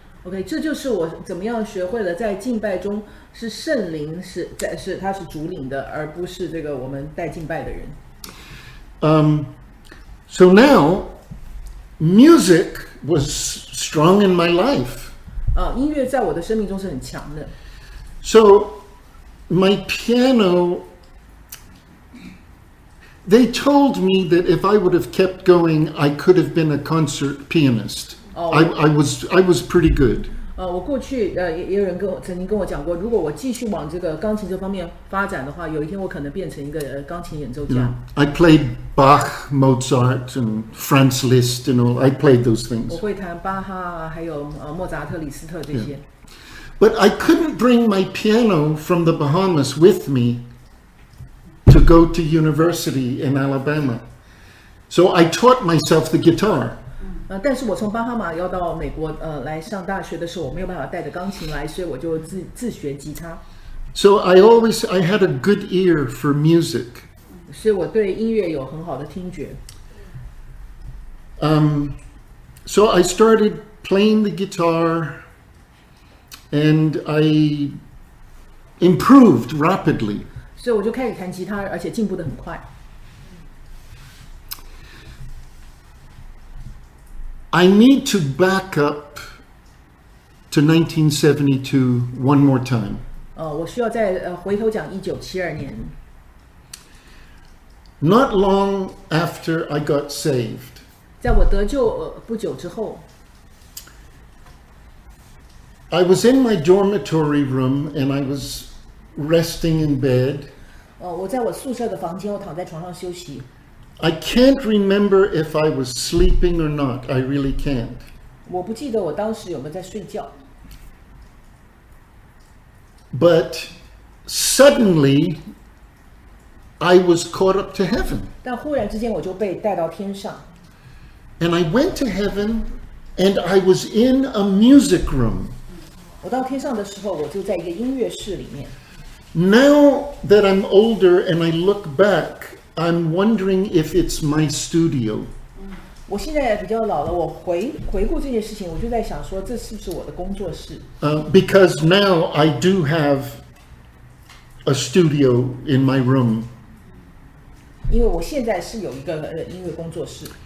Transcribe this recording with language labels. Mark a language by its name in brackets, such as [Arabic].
[Chinese] OK, 这就是我怎么样学会了在敬拜中是圣灵是他是主领的，而不是这个我们带敬拜的人。 [English] So now, music was strong in my life. [Chinese] 音乐在我的生命中是很强的。 [English] So, my piano, they told me that if I would have kept going, I could have been a concert pianist. I was pretty good. [Chinese] 我过去也有人曾经跟我讲过，如果我继续往这个钢琴这方面发展的话，有一天我可能变成一个钢琴演奏家。 [English] I played Bach, Mozart, and Franz Liszt, and all. I played those things. [Chinese] 我会弹巴哈，还有莫扎特、李斯特这些。 [English] Yeah. But I couldn't bring my piano from the Bahamas with me to go to university in Alabama, so I taught myself the guitar. [Chinese] 但是我从巴哈马要到美国来上大学的时候，我没有办法带着钢琴来，所以我就自学吉他。 [English] So I had a good ear for music. [Chinese] 所以我对音乐有很好的听觉。 [English] So I started playing the guitar, and I improved rapidly. [Chinese] 所以我就开始弹吉他，而且进步得很快。 [English] I need to back up to 1972 one more time. [Chinese] 我需要再回头讲1972年。 [English] Not long after I got saved. [Chinese] 在我得救不久之后。 [English] I was in my dormitory room and I was resting in bed. [Chinese] 我在我宿舍的房间，我躺在床上休息。 [English] I can't remember if I was sleeping or not. I really can't. [Chinese] 我不记得我当时有没有在睡觉。 [English] But suddenly, I was caught up to heaven. [Chinese] 但忽然之间我就被带到天上。 [English] And I went to heaven, and I was in a music room. [Chinese] 我到天上的时候，我就在一个音乐室里面。 [English] Now that I'm older and I look back, I'm wondering if it's my studio. [Chinese] 我现在比较老了，我回顾这件事情，我就在想说，这是不是我的工作室？ [English] Because now I do have a studio in my room. [Chinese] 因为我现在是有一个音乐工作室。